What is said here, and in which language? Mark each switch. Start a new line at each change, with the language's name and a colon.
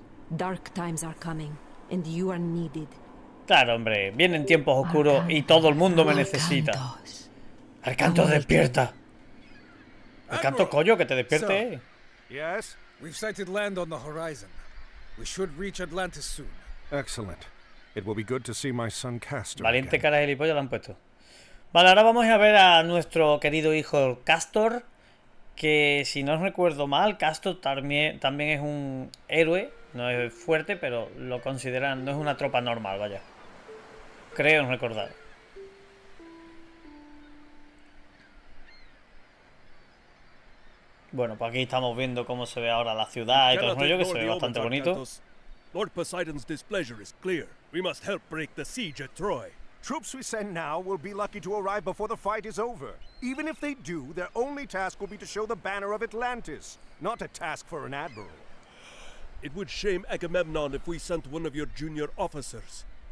English: Dark times are coming, and you are needed.
Spanish: Claro, hombre, vienen tiempos oscuros y todo el mundo me necesita. Arcanthos, despierta. Arcanthos, coño, que te despierte.
English: Yes, we've sighted land on the horizon. We should reach Atlantis soon. Excellent. It will be good to see my son Castor.
Spanish: Valiente cara de gilipollas lo han puesto. Vale, ahora vamos a ver a nuestro querido hijo Castor, que si no recuerdo mal, Castor también es un héroe. No es fuerte, pero lo consideran, no es una tropa normal, vaya. Creo recordar. Bueno, pues aquí estamos viendo cómo se ve ahora la ciudad y todo el rollo, que se ve bastante bonito.
English: Lord Poseidon's displeasure is clear. We must help break the siege at Troy. Troops we send now will be lucky to arrive before the fight is over. Even if they do, their only task will be to show the banner of Atlantis, not a task for an admiral. It would shame Agamemnon if we sent one of your junior officers.